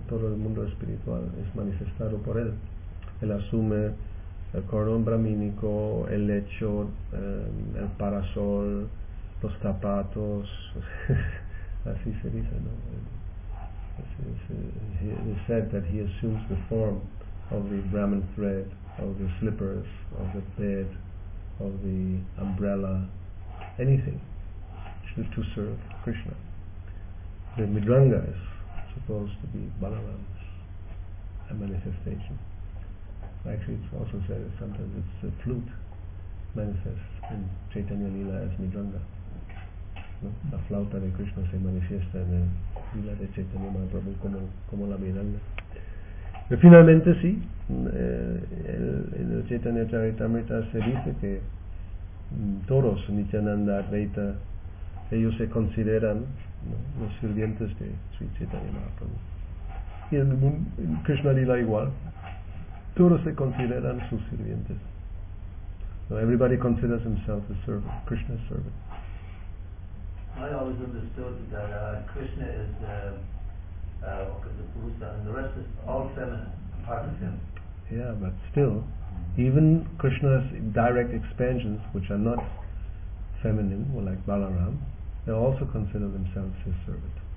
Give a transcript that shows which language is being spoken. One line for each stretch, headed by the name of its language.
Spanish: Todo el mundo espiritual es manifestado por él. Él asume el cordón brahmínico, el lecho, el parasol, los zapatos, así se dice, ¿no?
English: It is said that he assumes the form of the Brahman thread, of the slippers, of the bed, of the umbrella, anything to serve Krishna. The Mridanga is supposed to be Balaram's manifestation. Actually, it's also said that sometimes it's the flute manifests in Chaitanya Lila as Mridanga.
Spanish: No? La flauta de Krishna se manifiesta en el Lila de Chaitanya Mahaprabhu como la Mridanga. Y finalmente, sí, en el Chaitanya Charitamrita se dice que todos, Nityananda, Advaita, ellos se consideran, ¿no?, los sirvientes de Sri Chaitanya Mahaprabhu. Y en Krishna Lila igual, todos se consideran sus sirvientes.
English: So everybody considers himself a servant, Krishna's servant. I always understood that Krishna is the Purusa, and the rest is all feminine, part of him. Yeah, but still, even Krishna's direct expansions, which are not feminine, or like Balaram, they also consider themselves his servant.